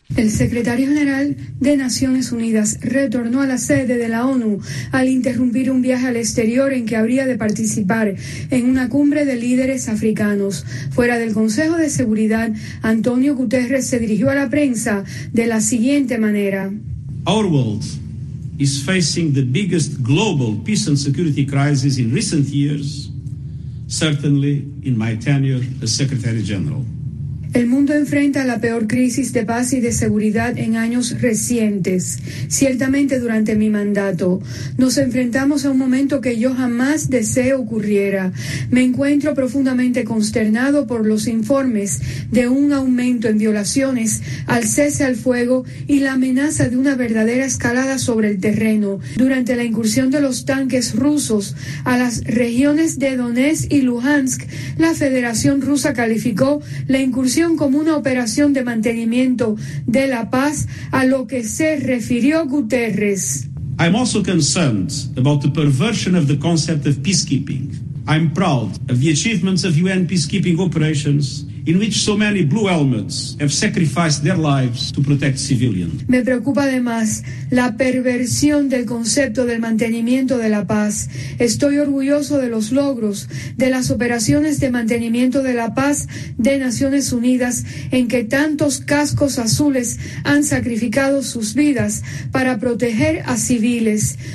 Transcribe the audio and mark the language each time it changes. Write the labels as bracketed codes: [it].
[es] El secretario general de Naciones Unidas retornó a la sede de la ONU al interrumpir un viaje al exterior en que habría de participar en una cumbre de líderes africanos. Fuera del Consejo de Seguridad, Antonio Guterres se dirigió a la prensa de la siguiente manera. [en] Our world is facing the biggest global peace and security crisis in recent years, certainly in my tenure as Secretary General. [es] El mundo enfrenta la peor crisis de paz y de seguridad en años recientes, ciertamente durante mi mandato. Nos enfrentamos a un momento que yo jamás deseo ocurriera. Me encuentro profundamente consternado por los informes de un aumento en violaciones al cese al fuego y la amenaza de una verdadera escalada sobre el terreno durante la incursión de los tanques rusos a las regiones de Donetsk y Luhansk. La Federación Rusa calificó la incursión como una operación de mantenimiento de la paz, a lo que se refirió Guterres. [en] I'm also concerned about the perversion of the concept of peacekeeping. I'm proud of the achievements of UN peacekeeping operations in which so many blue helmets have sacrificed their lives to protect civilians. [es] Me preocupa además la perversión del concepto del mantenimiento de la paz. Estoy orgulloso de los logros de las operaciones de mantenimiento de la paz de Naciones Unidas, en que tantos cascos azules han sacrificado sus vidas para proteger a civiles.